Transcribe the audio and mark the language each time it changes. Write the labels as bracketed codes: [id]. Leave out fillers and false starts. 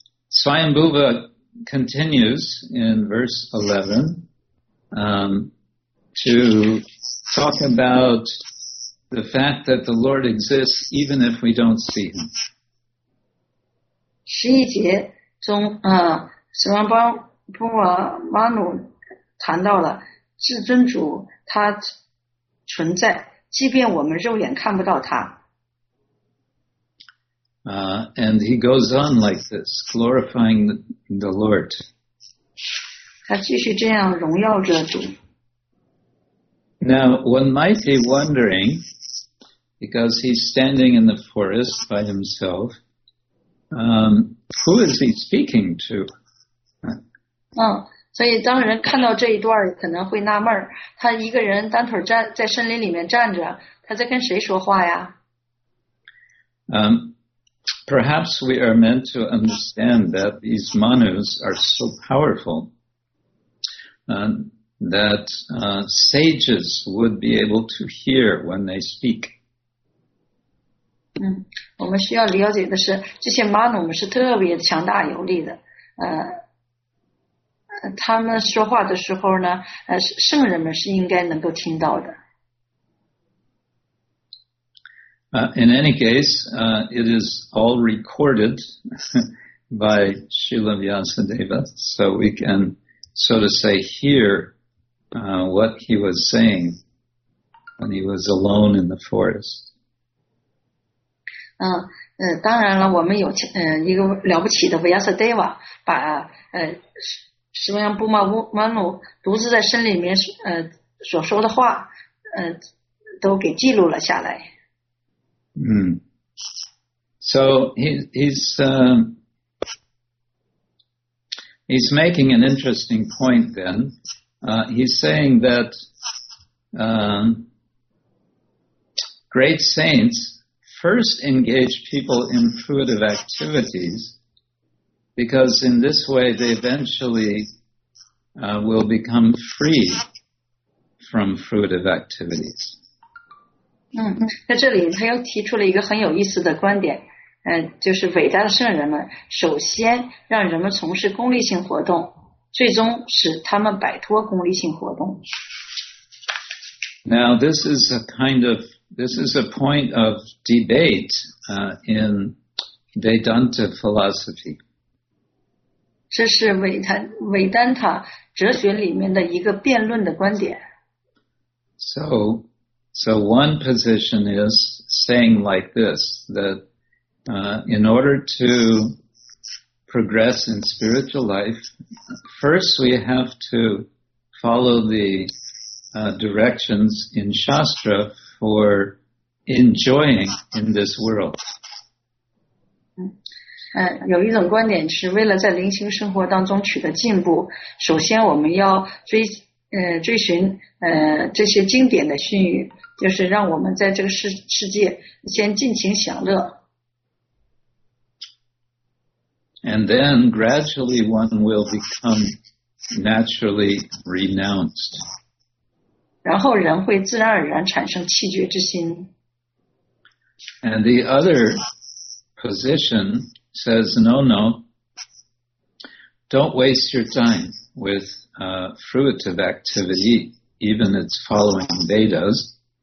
[en] Swayambhuva continues in verse 11 to talk about the fact that the Lord exists even if we don't see him. [zh] 11节中斯万邦布瓦马努谈到了至尊主他存在即便我们肉眼看不到他。 [en] And he goes on like this, glorifying the Lord. [zh] 他继续这样荣耀着主。 [en] Now, one might be wondering, because he's standing in the forest by himself, who is he speaking to? [zh] 所以当人看到这一段可能会纳闷，他一个人单腿站在森林里面站着，他在跟谁说话呀？ [en] Perhaps we are meant to understand that these manus are so powerful that sages would be able to hear when they speak. [zh] 我们需要了解的是，这些 manu 是特别强大有力的。他们说话的时候呢，圣人们是应该能够听到的。 [en] In any case, it is all recorded by Srila Vyasadeva, so we can, so to say, hear what he was saying when he was alone in the forest. [zh] 当然了，我们有一个了不起的 Vyasadeva 把释迦牟尼布玛努独自在森林里面所说的话都给记录了下来。 [en] So he's making an interesting point then. He's saying that great saints first engage people in fruitive activities because in this way they eventually will become free from fruitive activities. [zh] 在这里他又提出了一个很有意思的观点，就是伟大的圣人们首先让人们从事功利性活动，最终使他们摆脱功利性活动。 [en] Now, this is a point of debate, in Vedanta philosophy. [zh] 这是维丹塔哲学里面的一个辩论的观点。 [en] So one position is saying like this, that in order to progress in spiritual life, first we have to follow the directions in Shastra for enjoying in this world. [zh] 有一种观点是为了在灵性生活当中取得进步，首先我们要追寻这些经典的训谕，就是让我们在这个世界先尽情享乐。 [en] And then gradually one will become naturally renounced. [zh] 然后人会自然而然产生弃绝之心。 [en] And the other position says, no, no, don't waste your time with fruitive activity, even it's following Vedas.